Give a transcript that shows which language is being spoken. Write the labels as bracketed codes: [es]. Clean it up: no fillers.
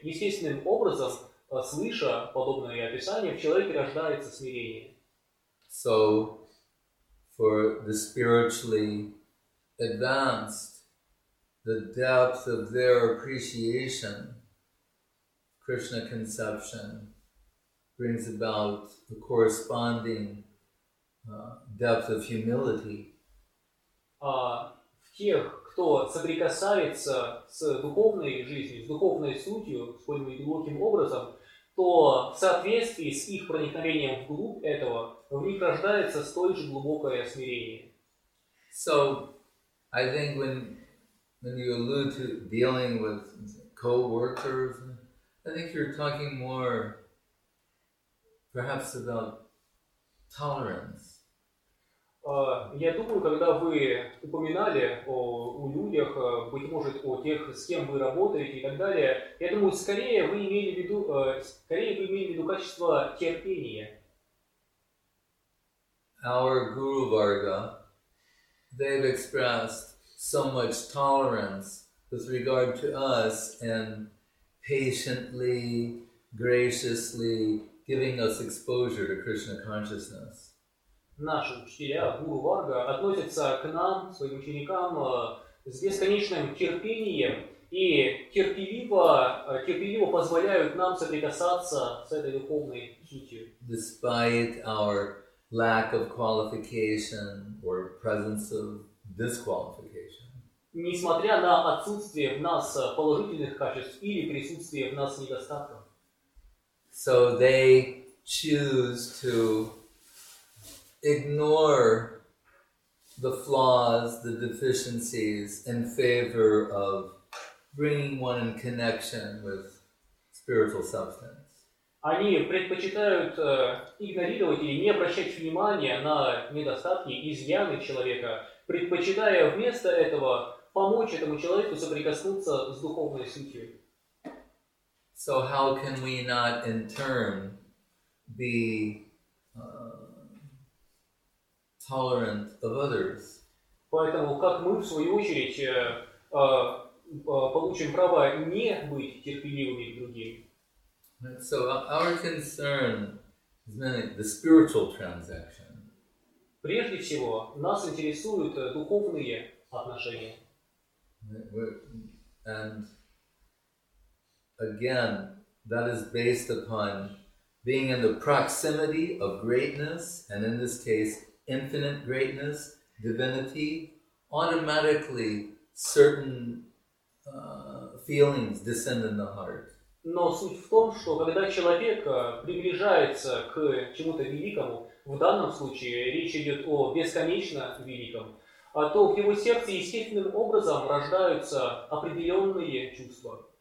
[ru] Естественным образом, слыша подобное описание, в человеке рождается смирение. [en] So, for the spiritually advanced, the depth of their appreciation, Krishna conception, brings about the corresponding depth of humility. [ru] В тех, кто соприкасается с духовной жизнью, с духовной сутью, сколь бы глубоким образом, то в соответствии с их проникновением вглубь этого, в них рождается столь же глубокое смирение. [en] So, I think when when you allude to dealing with co-workers, I think you're talking more perhaps about tolerance. [ru] Я думаю, когда вы упоминали о людях, быть может, о тех, с кем вы работаете и так далее, я думаю, скорее вы имели в виду качество терпения. [en] Our Guru Varga, they've expressed so much tolerance with regard to us and patiently, graciously giving us exposure to Krishna consciousness. [ru] Наши учителя, Гуру Варга, относятся к нам, своим ученикам, с бесконечным терпением и терпеливо позволяют нам соприкасаться с этой духовной сутью. [en] Despite our lack of qualification or presence of disqualification. [ru] Несмотря на отсутствие в нас положительных качеств или присутствие в нас недостатков. [en] So they choose to ignore the flaws, the deficiencies in favor of bringing one in connection with spiritual substance. [ru] Они предпочитают игнорировать или не обращать внимания на недостатки, изъяны человека, предпочитая вместо этого помочь этому человеку соприкоснуться с духовной сутью. [en] So how can we not in turn be tolerant of others? [ru] Поэтому как мы в свою очередь получим право не быть терпеливыми к другим? [en] So our concern is mainly the spiritual transaction. [ru] Прежде всего нас интересуют духовные отношения. [en] And again, that is based upon being in the proximity of greatness, and in this case, infinite greatness, divinity, automatically certain feelings descend in the heart. [ru] Но суть в том, что когда человек приближается к чему-то великому, в данном случае речь идет о бесконечно великом, то в его сердце естественным образом рождаются определенные чувства.